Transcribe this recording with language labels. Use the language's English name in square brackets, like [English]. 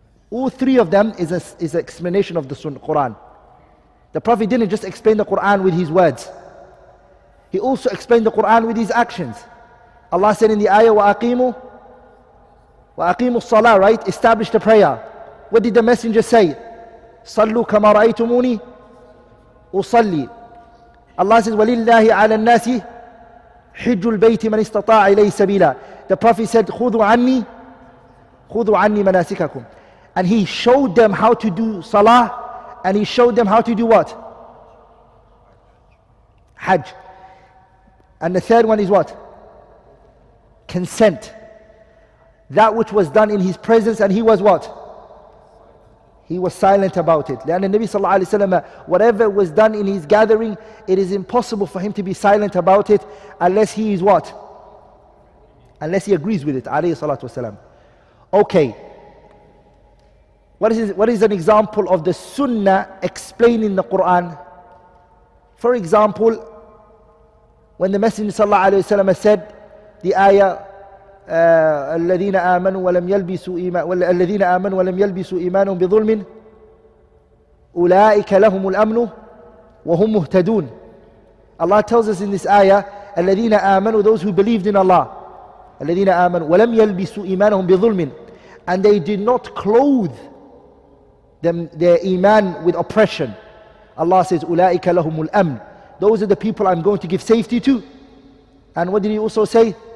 [English] All three of them is an explanation of the sunnah, Quran. The Prophet didn't just explain the Quran with his words. He also explained the Quran with his actions. Allah said in the ayah, [Arabic] وَأَقِيمُ الصَّلَاةِ, [English] right? Establish the prayer. What did the Messenger say? [Arabic] صَلُّوا كَمَا رَأَيْتُمُونِي أُصَلِّي. [English] Allah says, [Arabic] وَلِلَّهِ عَلَى النَّاسِ حِجُّ الْبَيْتِ مَنِ اسْتَطَاعَ إِلَيْهِ سَبِيلًا. [English] The Prophet said, [Arabic] خُذُوا عَنِّي مَنَاسِكَكُمْ. [English] And he showed them how to do salah, and he showed them how to do what? Hajj. And the third one is what? Consent. That which was done in his presence, and he was what? He was silent about it. [Arabic] لأن النبي صلى الله عليه وسلم, [English] whatever was done in his gathering, it is impossible for him to be silent about it unless he is what? Unless he agrees with it, [Arabic] عليه الصلاة والسلام. [English] Okay. What is an example of the sunnah explaining the Quran? For example, when the Messenger [Arabic] صلى الله عليه وسلم [English] said the ayah, [Arabic] الذين آمنوا ولم يلبسوا والذين آمنوا ولم يلبسوا إيمانهم بظلم أولئك لهم الأمن وهم مهتدون. [English] Allah tells us in this ayah, [Arabic] الذين آمنوا, [English] those who believed in Allah, [Arabic] الذين آمنوا ولم يلبسوا إيمانهم بظلم, [English] and they did not clothe them their iman with oppression. Allah says [Arabic] أولئك لهم الأمن, [English] those are the people I'm going to give safety to. And what did he also say?